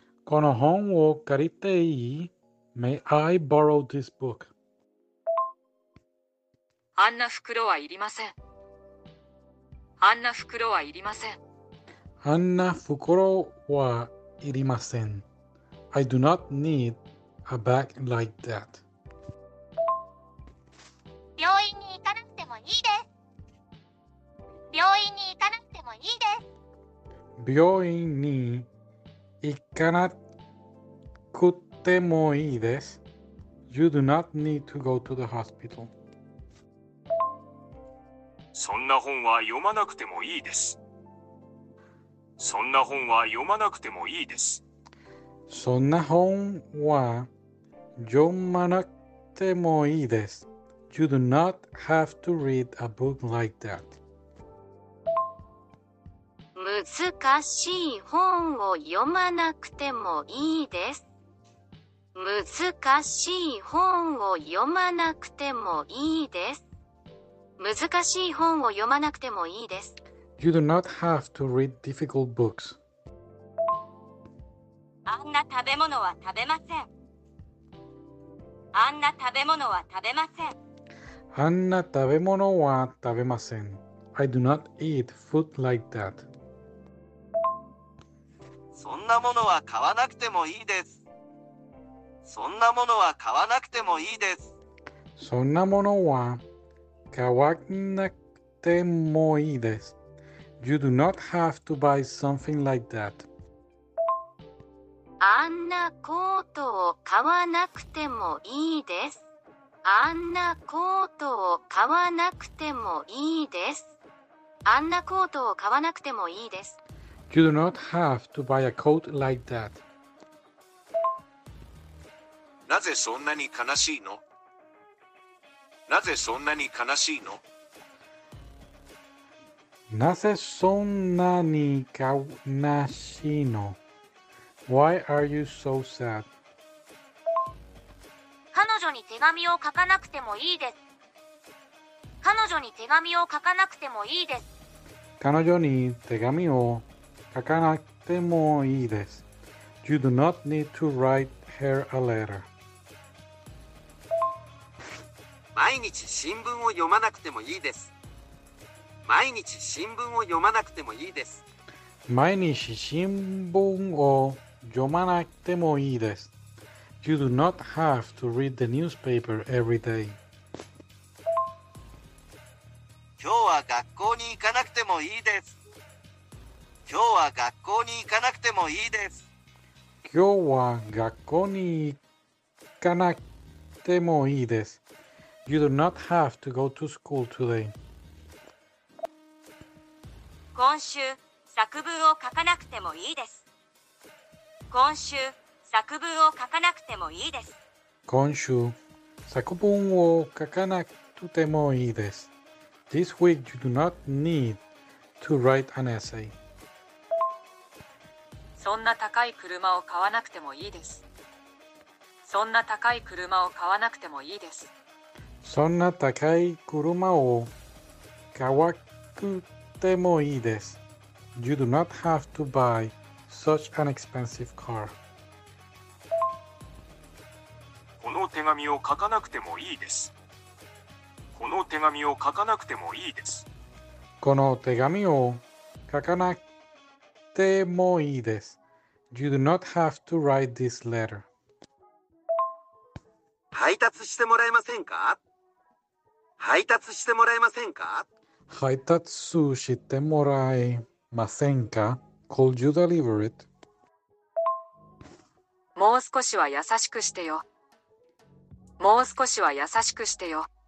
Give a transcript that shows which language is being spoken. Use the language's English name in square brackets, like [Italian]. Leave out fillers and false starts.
[Japanese] この本を借りていい？ [English] May I borrow this book? [Japanese] あんな袋はいりません。あんな袋はいりません。あんな袋はいりません。 [English] I do not need a bag like that. [Japanese] 病院に行かなくてもいいです。病院に行かなくてもいいです。病院に行かなくてもいいです。 [English] You do not need to go to the hospital. [Japanese] そんな本は読まなくてもいいです。そんな本は読まなくてもいいです。そんな本は読まなくてもいいです。 [English] You do not have to read a book like that. [Japanese] 難しい本を読まなくてもいいです。難しい本を読まなくてもいいです。難しい本を読まなくてもいいです。 [English] You do not have to read difficult books. [Japanese] あんな食べ物は食べません。あんな食べ物は食べません。あんな食べ物は食べません。 [English] I do not eat food like that. [Japanese] そんなものは買わなくてもいいです。そんなものは買わなくてもいいです。そんなものは買わなくてもいいです。 [English] You do not have to buy something like that. [Japanese] あんなコートを買わなくてもいいです。あんなコートを買わなくてもいいです。あんなコートを買わなくてもいいです。 [English] You do not have to buy a coat like that. [Japanese] なぜそんなに悲しいの？なぜそんなに悲しいの？なぜそんなに悲しいの？ [English] Why are you so sad? [Japanese] 彼女に手紙を書かなくてもいいです。彼女に手紙を書かなくてもいいです。彼女に手紙を書かなくてもいいです。 [English] You do not need to write her a letter. [Japanese] 毎日新聞を読まなくてもいいです。毎日新聞を読まなくてもいいです。毎日新聞を読まなくてもいいです。 [English] You do not have to read the newspaper every day. [Japanese] 今日は学校に行かなくてもいいです。今日は学校に行かなくてもいいです。今日は学校に行かなくてもいいです。 [English] You do not have to go to school today. [Japanese] 今週、作文を書かなくてもいいです。今週、作文を書かなくてもいいです。今週、作文を書かなくてもいいです。 [English] This week you do not need to write an essay. [Japanese] そんな高い車を買わなくてもいいです。そんな高い車を買わなくてもいいです。そんな高い車を買わなくてもいいです。 [English] You do not have to buy such an expensive car. [Japanese] この手紙を書かなくてもいいです。この手紙を書かなくてもいいです。この手紙を書かなくてもいいです。 [English] You do not have to write this letter. [Japanese] 配達してもらえませんか？配達してもらえませんか？配達してもらえませんか？ [English] Could you deliver it? [Japanese] もう少しは優しくしてよ。もう少しは優しくしてよ。